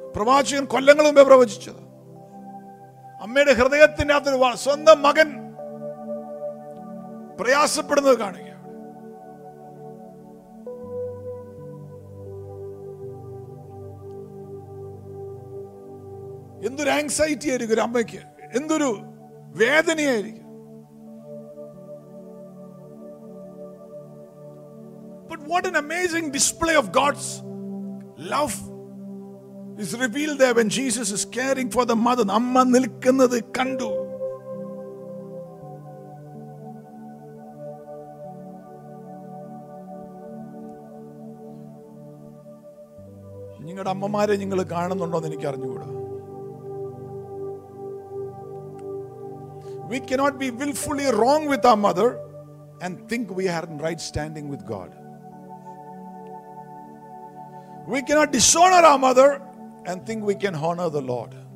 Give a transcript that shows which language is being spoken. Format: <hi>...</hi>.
<ml>പ്രവാചകൻ കൊല്ലങ്ങൾ മുമ്പേ പ്രവചിച്ചത്. അമ്മയുടെ ഹൃദയത്തിന്റെ അകത്തൊരു വാൾ, സ്വന്തം മകൻ പ്രയാസപ്പെടുന്നത് കാണുക. എന്തൊരു ആങ്സൈറ്റി ആയിരിക്കും ഒരു അമ്മയ്ക്ക്, എന്തൊരു വേദനയായിരിക്കും.</ml> <en>But what an amazing display of God's love is revealed there when Jesus is caring for the mother.</en> <ml>അമ്മ നിൽക്കുന്നത് കണ്ടു. നിങ്ങളുടെ അമ്മമാരെ നിങ്ങൾ കാണുന്നുണ്ടോന്ന് എനിക്ക് അറിഞ്ഞുകൂടാ.</ml> <en>We cannot be willfully wrong with our mother and think we are in right standing with God. We cannot dishonor our mother and think we can honor the Lord.</en>